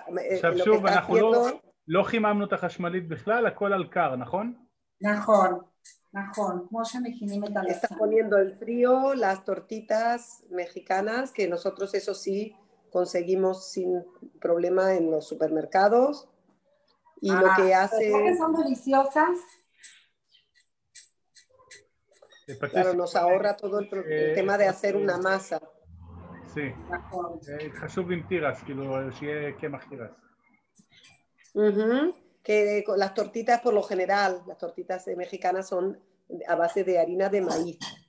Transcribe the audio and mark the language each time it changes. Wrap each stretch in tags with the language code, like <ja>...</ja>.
<he>עכשיו שוב, אנחנו לא חיממנו את החשמלית בכלל, הכל על קר, נכון? נכון. נכון, כמו שמכינים את הלסן.</he> <es>Está poniendo el frío, las tortitas mexicanas, que nosotros eso sí conseguimos sin problema en los supermercados. Y lo que hace... ¿Es que son deliciosas? Claro, nos ahorra todo el tema de hacer una masa. Sí.</es> <he>חשוב עם טירס, כאילו, שיהיה קמח טירס.</he> <es>Que las tortitas por lo general, las tortitas mexicanas son a base de harina de maíz.</es>